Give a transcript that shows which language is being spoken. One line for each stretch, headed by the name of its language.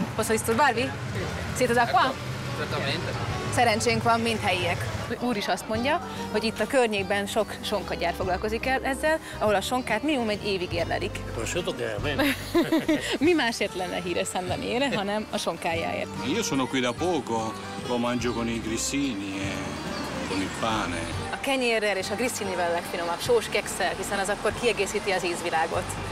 Italian: Posso disturbarvi? Siete d'acqua? Certamente.
Hungarian: Szerencsénk van, mint helyiek. Úr is azt mondja, hogy itt a környékben sok sonkagyár foglalkozik ezzel, ahol a sonkát minimum egy évig érlelik.
Italian: Prosciutto che è
Hungarian: Mi másért lenne híres San Daniele, hanem a sonkájáért.
Italian: Io sono qui da poco, lo mangio con i grissini e con il pane.
Hungarian: A kenyérrel és a grissinivel legfinomabb, sós kekszel, hiszen az akkor kiegészíti az ízvilágot.